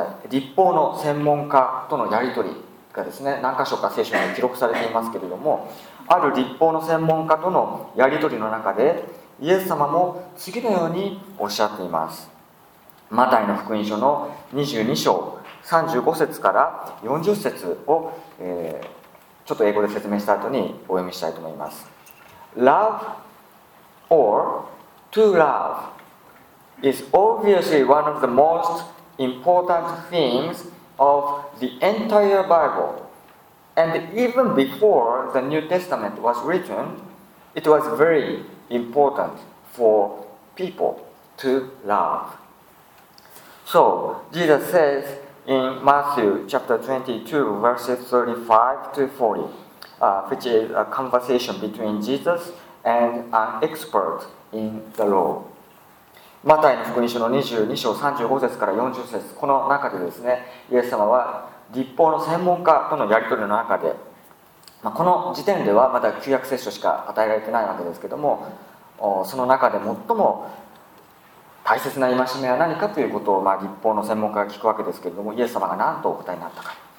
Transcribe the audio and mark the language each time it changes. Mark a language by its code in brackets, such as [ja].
[ja] 立法の専門家とのやり取りがですね、何箇所か聖書に記録されていますけれども、ある立法の専門家とのやり取りの中でイエス様も次のようにおっしゃっています。マタイの福音書の22章35節から40節を、ちょっと英語で説明した後にお読みしたいと思います。 [en] Love or to love is obviously one of the most important themes of the entire Bible, and even before the New Testament was written, it was very important for people to love. So Jesus says in Matthew chapter 22 verses 35 to 40, which is a conversation between Jesus and an expert in the law. [ja] マタイの福音書の22章35節から40節、この中でですね、イエス様は律法の専門家とのやり取りの中で、まあ、この時点ではまだ旧約聖書しか与えられてないわけですけども、その中で最も大切な戒めは何かということを、まあ、律法の専門家が聞くわけですけれども、イエス様が何とお答えになったか。